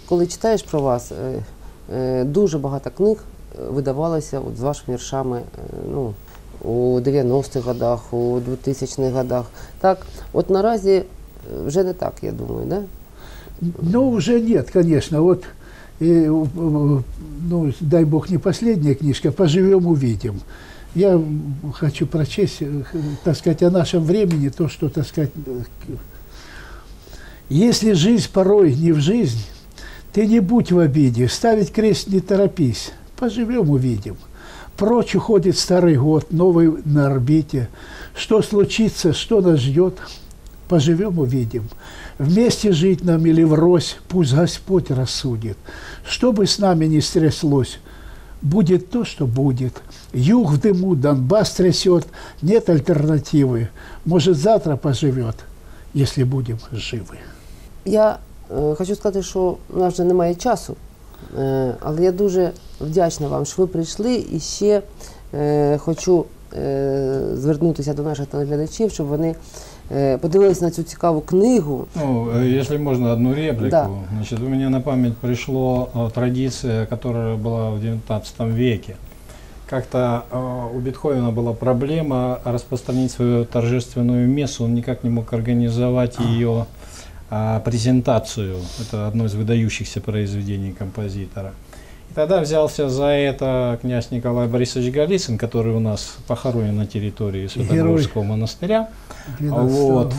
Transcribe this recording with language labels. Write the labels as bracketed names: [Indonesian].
[Ukrainian] Коли читаєш про вас, дуже багато книг видавалося от з вашими віршами, ну, у 90-х годах, у 2000-х годах. Так, от наразі вже не так, я думаю, да? Ну, вже ні, звісно. От, і, ну, дай Бог, не остання книжка, поживемо, увидим. [Russian] Я хочу прочесть, так сказать, о нашому времени, [Ukrainian] то, що, [Russian] так сказать, если жизнь порой не в жизнь, ты не будь в обиде, ставить крест не торопись. Поживем, увидим. Прочь уходит старый год, новый на орбите. Что случится, что нас ждет, поживем, увидим. Вместе жить нам или врозь, пусть Господь рассудит. Что бы с нами ни стряслось, будет то, что будет. Юг в дыму, Донбасс трясет, нет альтернативы. Может, завтра поживет, если будем живы. [Ukrainian] Я хочу сказати, що у нас же немає часу. Але я дуже вдячна вам, що ви прийшли, і ще хочу звернутися до наших телеглядачів, щоб вони подивилися на цю цікаву книгу. Ну, якщо можна, одну репліку. Да. Значить, у мене на пам'ять прийшла традиція, яка була в 19 веці. [Russian] Как-то у Бетховена была проблема распространить свою торжественную мессу, он никак не мог организовать ее презентацию. Это одно из выдающихся произведений композитора. И тогда взялся за это князь Николай Борисович Голицын, который у нас похоронен на территории Святогорского монастыря. Вот.